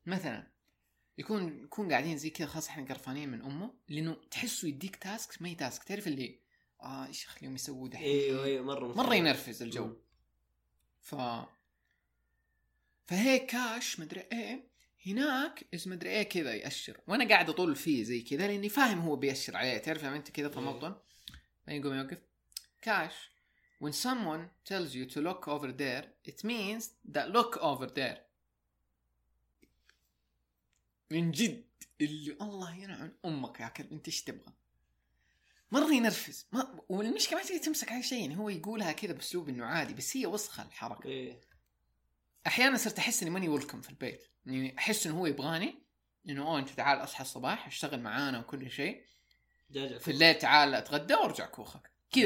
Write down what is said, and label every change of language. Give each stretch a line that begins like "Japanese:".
Arabic: مثلا يكون قاعدين زي كذا خاص احنا قرفانين من امه، لانه تحسه يديك تاسك ما يتاسك، تعرف اللي ايش خليهم يسووا دحين. ايوه مره ينرفز الجو. فهيك كاش مدري ايه هناك اسم مدري ايه كذا يأشر، وانا قاعد اطول فيه زي كذا لاني فاهم هو بيأشر عليه، تعرف لما انت كذا تمطن ما يقوم يوقف.
English: كاش when someone tells you to look over there it means that look over there.
Arabic: من جد اللي الله ينعن امك يا كلب، انت ايش تبغى؟ مره ينرفز ما، والمشكله ما تقدر تمسك على شيء، يعني هو يقولها كذا باسلوب انه عادي، بس هي وسخه الحركه. احيانا صرت احس اني ماني ويلكم في البيت، يعني احس انه هو يبغاني انه انت تعال اصحى الصباح اشتغل معانا وكل شيء، في الليل تعال اتغدى وارجع كوخك كذا.